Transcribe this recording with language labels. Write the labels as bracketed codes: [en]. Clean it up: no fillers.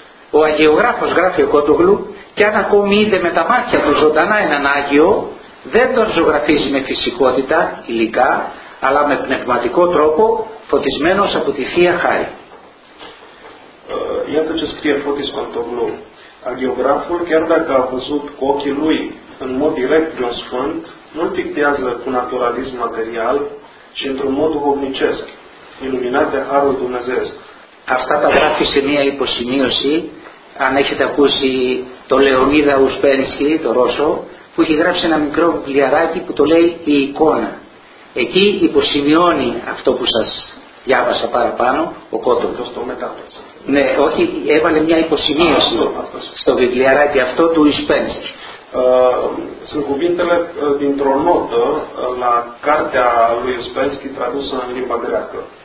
[el] Ο Αγιογράφος γράφει ο Κότογλου και αν ακόμη είδε με τα μάτια του ζωντανά έναν Άγιο, δεν τον ζωγραφίζει με φυσικότητα, υλικά, αλλά με πνευματικό τρόπο, φωτισμένος από τη Θεία Χάρη. [ro] Iată ce scrie Fotis Pantoglou. Αγιογράφος, chiar dacă a văzut cu ochii lui, în mod direct, de un sfânt, nu-l pictează cu naturalism material, ci într-un mod duhovnicesc, iluminat de Harul Dumnezeu. [el] Αυτά τα γράφει σε μία υποσημείωση, αν έχετε ακούσει τον Λεωνίδα Ουσπένσκι, τον Ρώσο, που έχει γράψει ένα μικρό βιβλιαράκι που το λέει «Η εικόνα». Εκεί υποσημειώνει αυτό που σας διάβασα παραπάνω, ο Κότο. Αυτός το μετάφρασε. Ναι, όχι, έβαλε μια υποσημείωση στο βιβλιαράκι αυτό του Ισπένσκι. [ro] Σε κουβίντελε την τρονότα, la cartea lui Ισπένσκι tradusă în limba greacă.